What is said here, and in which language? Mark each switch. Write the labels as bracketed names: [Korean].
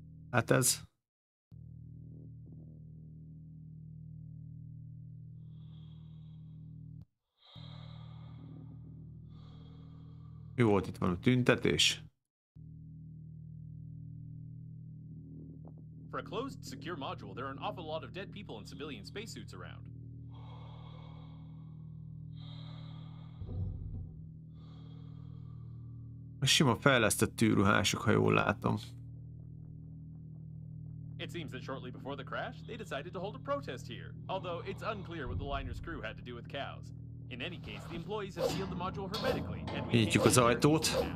[Hungarian] Hát ez. Jó volt, itt van a tüntetés. [English] For a closed secure module, there are an awful lot of dead people in civilian spacesuits around. [Hungarian] A sima fejlesztett tűruhások, ha jól látom. [English] It seems that shortly before the crash, they decided to hold a protest here. Although it's unclear what the liner's crew had to do with cows. In any case, the employees have sealed the module hermetically. [Hungarian] Nyitjuk az ajtót.